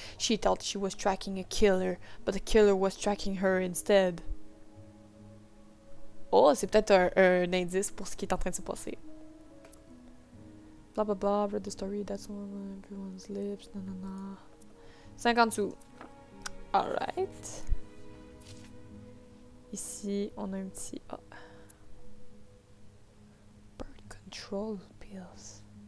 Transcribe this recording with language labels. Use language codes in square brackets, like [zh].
[en] She thought she was tracking a killer, but the killer was tracking her instead. [fr] Oh, c'est peut-être un indice pour ce qui est en train de se passer. [en] Blah blah blah, read the story, that's on everyone's lips, na na na. [fr] 50 sous. [en] Alright. [fr] Ici, on a un petit... Oh. [en] Bird control pills.